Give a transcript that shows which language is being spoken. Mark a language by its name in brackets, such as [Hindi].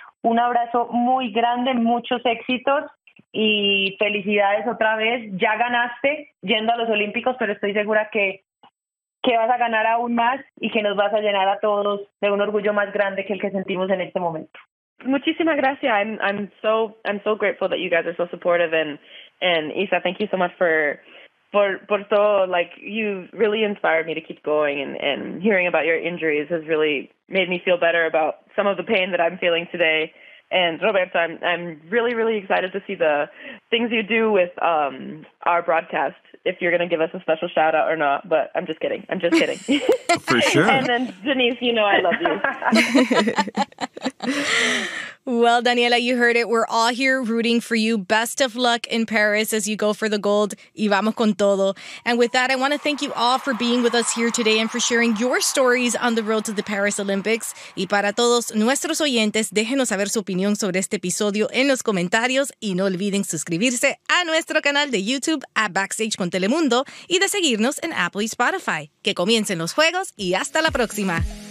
[Spanish] Un abrazo muy grande, muchos éxitos. Y felicidades otra vez. Ya ganaste yendo a los Olímpicos, pero estoy segura que vas a ganar aún más y que nos vas a llenar a todos de un orgullo más grande que el que sentimos en este momento. Muchísimas gracias. [English] I'm so grateful that you guys are so supportive, and Isa, thank you so much for so, like, you really inspired me to keep going, and hearing about your injuries has really made me feel better about some of the pain that I'm feeling today. And Roberto, I'm really, really excited to see the things you do with our broadcast, if you're going to give us a special shout out or not. But I'm just kidding. I'm just kidding. For sure. And then Denise, you know I love you. Well, Daniella, you heard it. We're all here rooting for you. Best of luck in Paris as you go for the gold. [Spanish] Y vamos con todo. [English] And with that, I want to thank you all for being with us here today and for sharing your stories on the road to the Paris Olympics. [Spanish] Y para todos nuestros oyentes, déjenos saber su opinión sobre este episodio en los comentarios. Y no olviden suscribirse a nuestro canal de YouTube at Backstage con Telemundo y de seguirnos en Apple y Spotify. Que comiencen los juegos y hasta la próxima.